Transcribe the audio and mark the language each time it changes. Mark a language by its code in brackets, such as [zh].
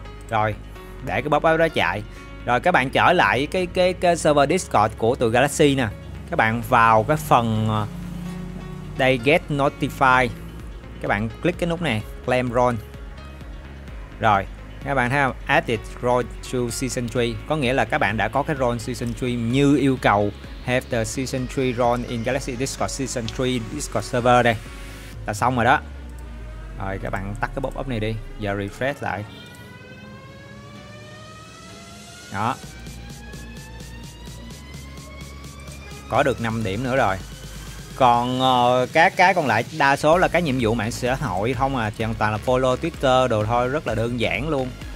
[vi] Rồi, để cái pop up đó chạy. Rồi các bạn trở lại cái server Discord của tụi Galaxy nè. Các bạn vào cái phần đây, get notify, các bạn click cái nút này claim role. Rồi các bạn thấy không, [en] added role to season 3, [vi] có nghĩa là các bạn đã có cái role season 3 như yêu cầu. [en] Have the season 3 role in Galaxy Discord season 3 Discord server. [vi] Đây là xong rồi đó. Rồi các bạn tắt cái pop up này đi, giờ refresh lại đó, có được 5 điểm nữa rồi. Còn các cái còn lại đa số là các nhiệm vụ mạng xã hội không à, hoàn toàn là follow Twitter đồ thôi, rất là đơn giản luôn.